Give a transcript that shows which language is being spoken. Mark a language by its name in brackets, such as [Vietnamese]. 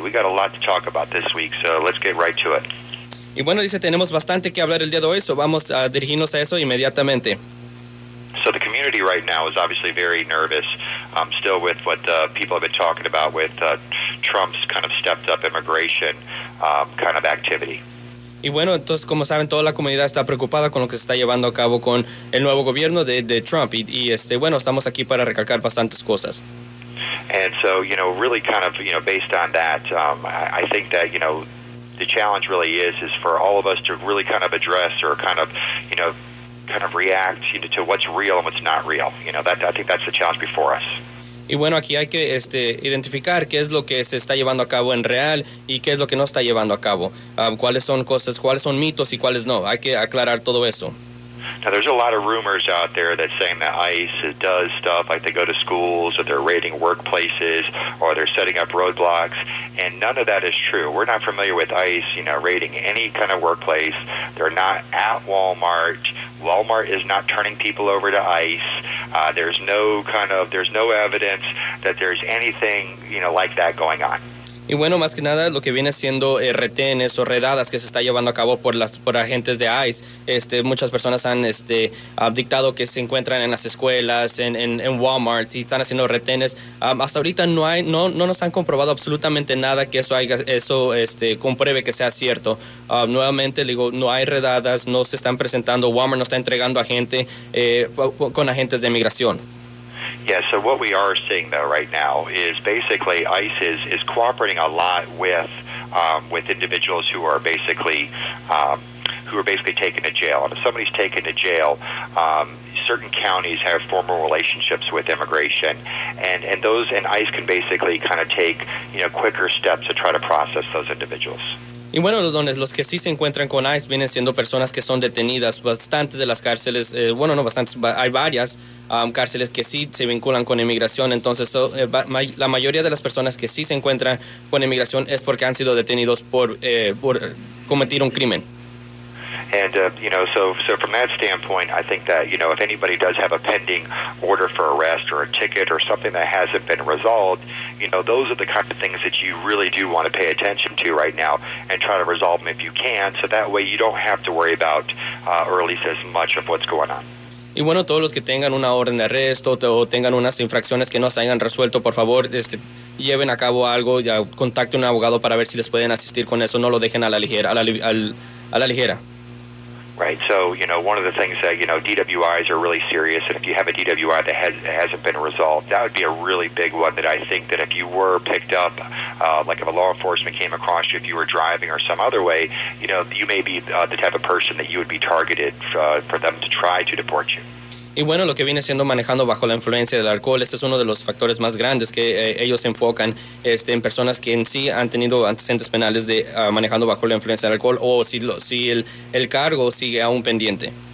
[English] We got a lot to talk about this week, so let's get right to it. [Spanish] Y bueno, dice, tenemos bastante que hablar el día de hoy, so vamos a dirigirnos a eso inmediatamente. [English] So the community right now is obviously very nervous, still with what people have been talking about with Trump's kind of stepped up immigration kind of activity. [Spanish] Y bueno, entonces, como saben, toda la comunidad está preocupada con lo que se está llevando a cabo con el nuevo gobierno de Trump. Y bueno, estamos aquí para recalcar bastantes cosas. [English] And so, you know, really kind of, you know, based on that, I think that, you know, the challenge really is for all of us to really kind of address or kind of react, you know, to what's real and what's not real. You know, that I think that's the challenge before us. [Spanish] Y bueno, aquí hay que identificar qué es lo que se está llevando a cabo en real y qué es lo que no está llevando a cabo. ¿Cuáles son cosas, cuáles son mitos y cuáles no? Hay que aclarar todo eso. [English] Now, there's a lot of rumors out there that saying that ICE does stuff like they go to schools or they're raiding workplaces or they're setting up roadblocks, and none of that is true. We're not familiar with ICE, you know, raiding any kind of workplace. They're not at Walmart. Walmart is not turning people over to ICE. There's no evidence that there's anything, you know, like that going on. [Spanish] Y bueno, más que nada, lo que viene siendo retenes o redadas que se está llevando a cabo por agentes de ICE. Muchas personas han dictado que se encuentran en las escuelas, en Walmart, y están haciendo retenes. Hasta ahorita no nos han comprobado absolutamente nada que eso compruebe que sea cierto. Nuevamente, digo, no hay redadas, no se están presentando, Walmart no está entregando a gente con agentes de migración. [English] Yeah, so what we are seeing, though, right now is basically ICE is cooperating a lot with individuals who are basically taken to jail. And if somebody's taken to jail, certain counties have formal relationships with immigration, and ICE can basically kind of take, you know, quicker steps to try to process those individuals. [Spanish] Y bueno, los que sí se encuentran con ICE vienen siendo personas que son detenidas, bastantes de las cárceles, hay varias cárceles que sí se vinculan con inmigración. Entonces, la mayoría de las personas que sí se encuentran con inmigración es porque han sido detenidos por cometer un crimen. [English] And, you know, so from that standpoint, I think that, you know, if anybody does have a pending order for arrest or a ticket or something that hasn't been resolved, you know, those are the kind of things that you really do want to pay attention to right now and try to resolve them if you can. So that way you don't have to worry about, or at least as much of what's going on. [Spanish] Y bueno, todos los que tengan una orden de arresto o tengan unas infracciones que no se hayan resuelto, por favor, lleven a cabo algo, ya contacte a un abogado para ver si les pueden asistir con eso. No lo dejen a la ligera. [English] Right, so, you know, one of the things that, you know, DWIs are really serious, and if you have a DWI that hasn't been resolved, that would be a really big one that I think that if you were picked up, like if a law enforcement came across you, if you were driving or some other way, you know, you may be the type of person that you would be targeted for them to try to deport you. [Spanish] Y bueno, lo que viene siendo manejando bajo la influencia del alcohol, este es uno de los factores más grandes que ellos enfocan en personas que en sí han tenido antecedentes penales de manejando bajo la influencia del alcohol o si el cargo sigue aún pendiente.